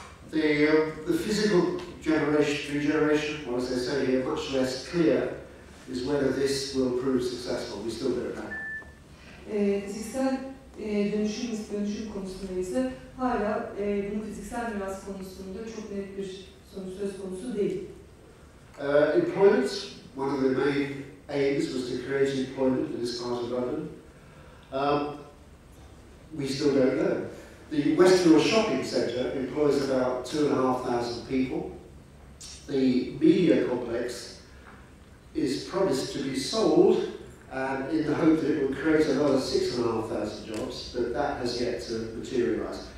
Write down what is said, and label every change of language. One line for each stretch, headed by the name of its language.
English: The physical regeneration process, so here, much less clear is whether this will prove successful. We still don't know.
Turkish: Fiziksel dönüşüm konusunda ise hala bunun fiziksel miras konusunda çok net bir sonuç söz konusu değil.
English: Employment, one of the main aims was to create employment in this part of London. We still don't know. The Westfield Shopping Centre employs about 2,500 people. The media complex is promised to be sold in the hope that it will create another 6,500 jobs, but that has yet to materialise.